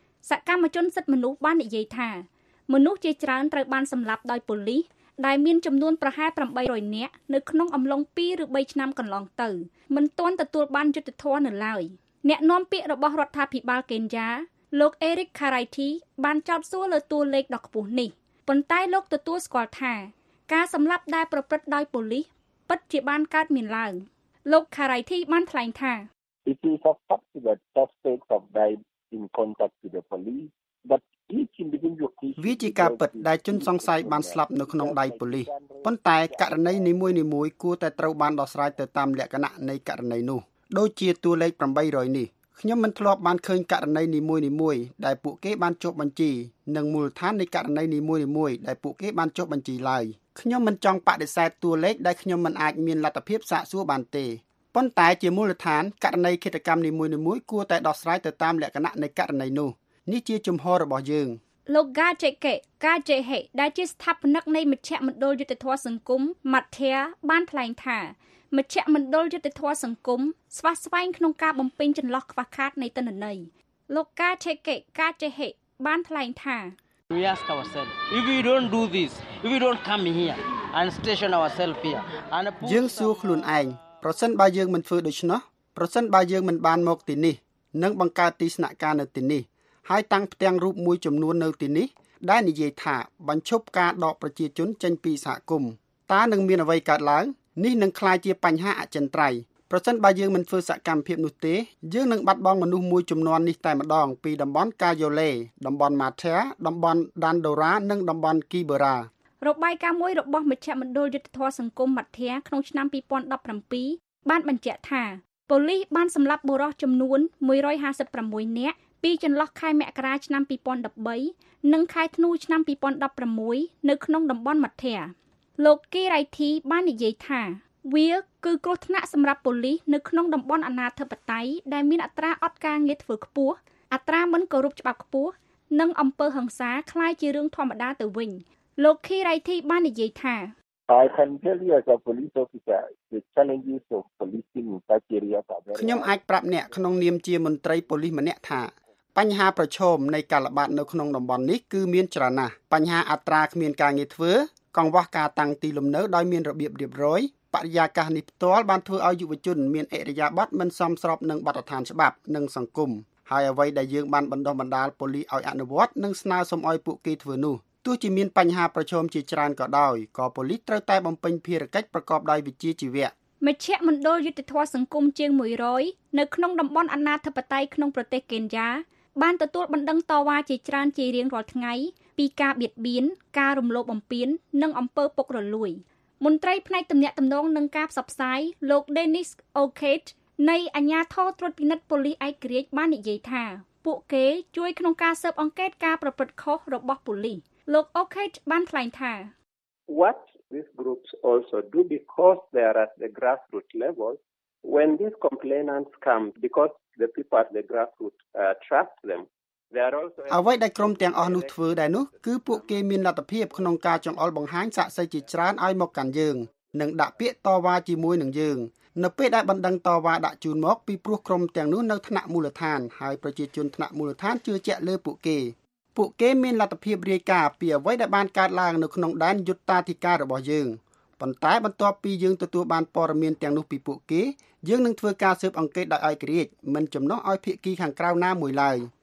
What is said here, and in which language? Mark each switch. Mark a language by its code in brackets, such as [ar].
[km] សកម្មជនសិទ្ធិមនុស្សបាននិយាយថាមនុស្សជាច្រើនត្រូវបានសម្លាប់ដោយប៉ូលីសដែលមានចំនួនប្រហែល800នាក់នៅក្នុងអំឡុង2ឬ3ឆ្នាំកន្លងទៅមិនទាន់ទទួលបានយុត្តិធម៌នៅឡើយអ្នកនាំពាក្យរបស់រដ្ឋាភិបាលកេនយ៉ាលោកអេរិកខារ៉ៃធីបានចោទសួរលើតួលេខដ៏ខ្ពស់នេះប៉ុន្តែលោកទទួលស្គាល់ថាការសម្លាប់ដែលប្រព្រឹត្តដោយប៉ូលីសពិតជាបានកើតមានឡើងលោកខារ៉ៃធីបានថ្លែងថា [en] It is a possible suspect of died in contact with the police but [km] វាជាការពិតដែលជនសង្ស័យបានស្លាប់នៅក្នុងដៃប៉ូលីសប៉ុន្តែករណីនីមួយនីមួយគួរតែត្រូវបានដោះស្រាយទៅតាមលក្ខណៈនៃករណីនោះដូចជាតួលេខ800នេះខ្ញុំមិនធ្លាប់បានឃើញករណីនីមួយនីមួយដែលពួកគេបានចុះបញ្ជីនិងមូលដ្ឋាននៃករណីនីមួយនីមួយដែលពួកគេបានចុះបញ្ជីឡើយខ្ញុំមិនចង់បដិសេធតួលេខដែលខ្ញុំមិនអាចមានលទ្ធភាពសាកសួរបានទេប៉ុន្តែជាមូលដ្ឋានករណីឃាតកម្មនីមួយនីមួយគួរតែដោះស្រាយទៅតាមលក្ខណៈនៃករណីនោះនេះជាជំហររបស់យើង លោកកាជេកេកាជេហេដែលជាស្ថាបនិកនៃមជ្ឈមណ្ឌលយុត្តិធម៌សង្គមម៉ាត់ធៀបានថ្លែងថាមជ្ឈមណ្ឌលយុត្តិធម៌សង្គមស្វះស្វែងក្នុងការបំពេញចន្លោះខ្វះខាតនៃទិន្នន័យលោកកាជេកេកាជេហេបានថ្លែងថា [en] We ask ourselves if we don't do this if we don't come here and station ourselves here and [km] យើងសួរខ្លួនឯងប្រសិនបើយើងមិនធ្វើដូច្នោះប្រសិនបើយើងមិនបានមកទីនេះនិងបង្កើតទីស្នាក់ការនៅទីនេះហើយតាំងផ្ទាំងរូបមួយចំនួននៅទីនេះដែលនិយាយថាបញ្ឈប់ការដកប្រជាជនចេញពីសហគមន៍តើនឹងមានអ្វីកើតឡើងនេះនឹងក្លាយជាបញ្ហាអចិន្ត្រៃយ៍ប្រសិនបើយើងមិនធ្វើសកម្មភាពនោះទេយើងនឹងបាត់បង់មនុស្សមួយចំនួននេះតែម្ដងពីតំបន់កាយូឡេតំបន់ម៉ាធែតំបន់ដាន់ដូរ៉ានិងតំបន់គីបារ៉ារ បាយការណ៍មួយរបស់មជ្ឈមណ្ឌលយុត្តិធម៌សង្គមម៉ាធែក្នុងឆ្នាំ2017បានបញ្ជាក់ថាប៉ូលីសបានសម្លាប់បុរសចំនួន156 នាក់ពីចន្លោះខែមករាឆ្នាំ2013និងខែធ្នូឆ្នាំ2016នៅក្នុងតំបន់មាត់ធាលោកគីរ៉ៃធីបាននិយាយថាវាគឺគ្រោះថ្នាក់សម្រាប់ប៉ូលីសនៅក្នុងតំបន់អាណាធិបតេយ្យដែលមានអត្រាអត់ការងារធ្វើខ្ពស់អត្រាមិនគោរពច្បាប់ខ្ពស់និងអំពើហិង្សាคล้ายជារឿងធម្មតាទៅវិញលោកគីរ៉ៃធីបាននិយាយថា [en] I can tell you as a police officer the challenges of policing in that area [km] ខ្ញុំអាចប្រាប់អ្នកក្នុងនាមជាមន្ត្រីប៉ូលីសម្នាក់ថាបញ្ហាប្រឈមនៃការល្បាតនៅក្នុងតំបន់នេះគឺមានច្រើនណាស់បញ្ហាអត្រាគ្មានការងារធ្វើកង្វះការតាំងទីលំនៅដោយមានរបៀបរៀបរយ បរិយាកាសនេះផ្ទាល់បានធ្វើឲ្យយុវជនមានអរិយាប័ត្រមិនសមស្របនឹងបទដ្ឋានច្បាប់និងសង្គមហើយអ្វីដែលយើងបានបណ្ដុះបណ្ដាលប៉ូលីសឲ្យអនុវត្តនិងស្នើសុំឲ្យពួកគេធ្វើនោះទោះជាមានបញ្ហាប្រឈមជាច្រើនក៏ដោយក៏ប៉ូលីសត្រូវតែបំពេញភារកិច្ចប្រកបដោយវិជ្ជាជីវៈ មជ្ឈមណ្ឌលយុតិធម៌សង្គមជាង100នៅក្នុងតំបន់អនាធិបតេយ្យក្នុងប្រទេសកេនយ៉ាបានទទួលបណ្ដឹងតវ៉ាជាច្រើនជារៀងរាល់ថ្ងៃពីការបៀតបៀនការរំលោភបំពាននិងអំពើពុករលួយមន្ត្រីផ្នែកទំនាក់ទំនងនិងការផ្សព្វផ្សាយលោក Dennis O'Kate នៃអាជ្ញាធរត្រួតពិនិត្យប៉ូលីសឯករាជ្យបាននិយាយថាពួកគេជួយក្នុងការស៊ើបអង្កេតការប្រព្រឹត្តខុសរបស់ប៉ូលីសលោក O'Kate បានថ្លែងថា [en] What these groups also do because they are at the grassroots level when these complainants come because the people at the grassroots trust them [km] អ្វីដែលក្រុមទាំងអស់នោះធ្វើដែរនោះគឺពួកគេមានលទ្ធភាពក្នុងការចងអល់បង្ហាញសាក់សីជាច្រើនឲ្យមកកាន់យើងនិងដាក់ពាក្យតវ៉ាជាមួយនឹងយើងនៅពេលដែលបណ្ដឹងតវ៉ាដាក់ជូនមកពីព្រោះក្រុមទាំងនោះនៅថ្នាក់មូលដ្ឋានហើយប្រជាជនថ្នាក់មូលដ្ឋានជឿជាក់លើពួកគេពួកគេមានលទ្ធភាពរាយការណ៍ពីអ្វីដែលបានកើតឡើងនៅក្នុងដែនយុត្តាធិការរបស់យើងប៉ុន្តែបន្ទាប់ពីយើងទទួលបានព័ត៌មានទាំងនោះពីពួកគេយើងនឹងធ្វើការស៊ើបអង្កេតដោយឯករាជ្យមិនចំណុះឲ្យភាគីខាងក្រៅណាមួយឡើយ